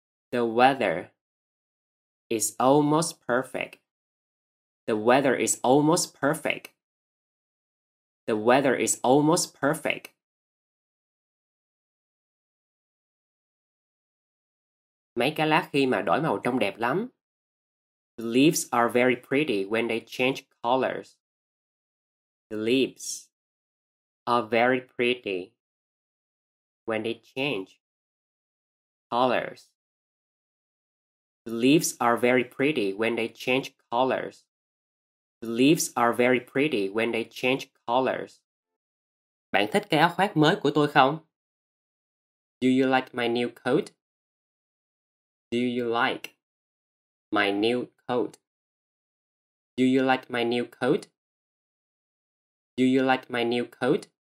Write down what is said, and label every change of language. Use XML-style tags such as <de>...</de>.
<en>The weather is almost perfect. The weather is almost perfect. The weather is almost perfect.</en> <vi>Mấy cái lá khi mà đổi màu trông đẹp lắm.</vi> <en>The leaves are very pretty when they change colors. The leaves are very pretty when they change colors. The leaves are very pretty when they change colors. The leaves are very pretty when they change colors.</en> <vi>Bạn thích cái áo khoác mới của tôi không?</vi> <en>Do you like my new coat? Do you like my new coat? Do you like my new coat? Do you like my new coat?</en>